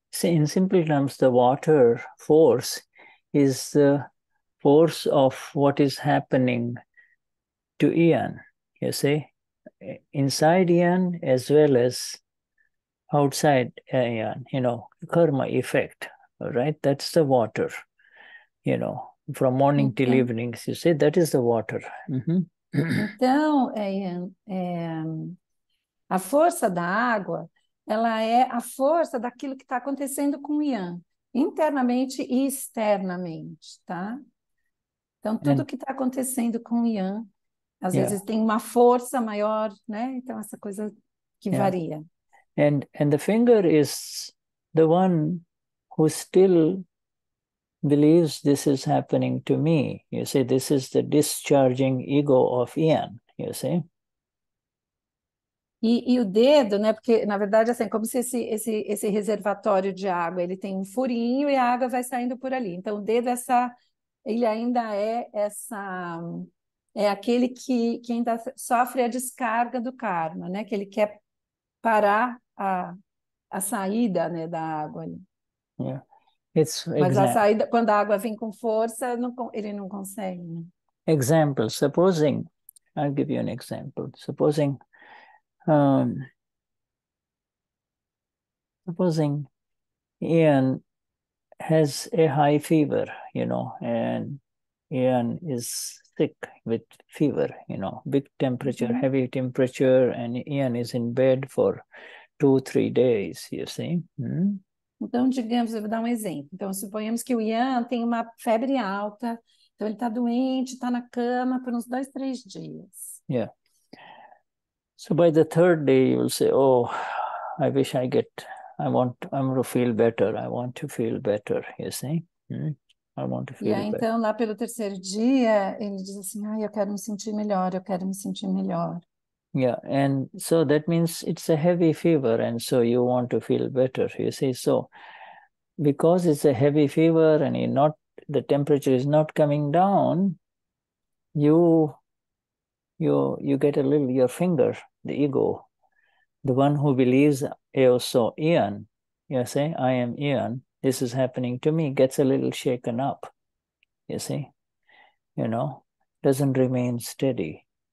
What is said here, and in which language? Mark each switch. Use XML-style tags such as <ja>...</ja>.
<en>In simple terms, the water force is the force of what is happening to Ian, you see? Inside Ian as well as outside Ian, you know, karma effect, right? That's the water, you know, from morning till evening, you see, that is the water.</en> <pt>Então, a força da água, ela é a força daquilo que está acontecendo com Ian, internamente e externamente, tá? Então, tudo que está acontecendo com Ian, às vezes tem uma força maior, né? Então, essa coisa que varia.</pt> <en>And the finger is the one who still believes this is happening to me. You see, this is the discharging ego of Ian, you see?</en> <pt>E o dedo, né? Porque, na verdade, assim, como se esse reservatório de água, ele tem um furinho e a água vai saindo por ali. Então, o dedo, ele ainda é essa... É aquele que ainda sofre a descarga do karma, né? Que ele quer parar a saída, né, da água.</pt> <en>Yeah. It's</en> <pt>a saída, quando a água vem com força, ele não consegue. Né?</pt> <en>Example. Supposing, I'll give you an example. Supposing... supposing Ian has a high fever, you know, and Ian is sick with fever, you know, big temperature, heavy temperature, and Ian is in bed for 2-3 days, you see.</en> <pt>Então, digamos, eu vou dar um exemplo. Então, suponhamos que o Ian tem uma febre alta, então ele está doente, está na cama por uns 2-3 dias.</pt> <en>Yeah. So by the third day, you will say, oh, I wish I'm going to feel better. I want to feel better, you see? I want to feel better.</en> <pt>E aí, então, lá pelo terceiro dia, ele diz assim, ai, eu quero me sentir melhor, eu quero me sentir melhor.</pt> <en>Yeah, and so that means it's a heavy fever, and so you want to feel better, you see? So, because it's a heavy fever and the temperature is not coming down, you get a little, your finger, the ego, the one who believes, also Ian, you say, I am Ian, this is happening to me, gets a little shaken up, you see, you know, doesn't remain steady.</en>